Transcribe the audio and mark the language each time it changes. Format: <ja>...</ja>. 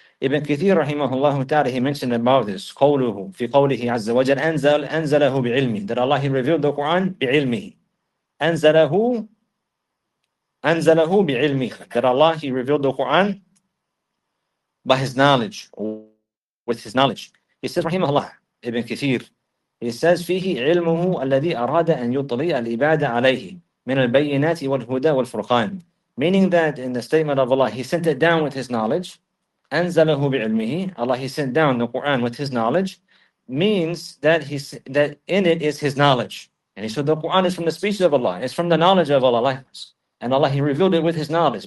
<en>Ibn Kathir rahimahullah ta'ala, he mentioned about this.</en> <ar>قَوْلُهُ فِي قَوْلِهِ عَزَّ وَجَلْ أَنزَلَهُ بِعِلْمِهِ.</ar> <en>That Allah, he revealed the Quran</en> <ar>بِعِلْمِهِ. أَنزَلَهُ بِعِلْمِهِ.</ar> <en>That Allah, he revealed the Quran by his knowledge, with his knowledge. He says, rahimahullah, Ibn Kathir, he says,</en> <ar>فِيهِ عِلْمُهُ الَّذِي أَرَادَ أَن يُطْلِيَ الْعِبَادَ عَلَيْهِ مِنَ الْبَيِّنَاتِ وَالْهُدَى وَالْفُرْقَانِ.</ar> <en>Meaning that in the statement of Allah, he sent it down with his knowledge.</en> <ar>أَنزَلَهُ بِعِلْمِهِ.</ar> <en>Allah, he sent down the Qur'an with his knowledge. Means that that in it is his knowledge. And he said the Qur'an is from the speech of Allah. It's from the knowledge of Allah. And Allah, he revealed it with his knowledge.</en>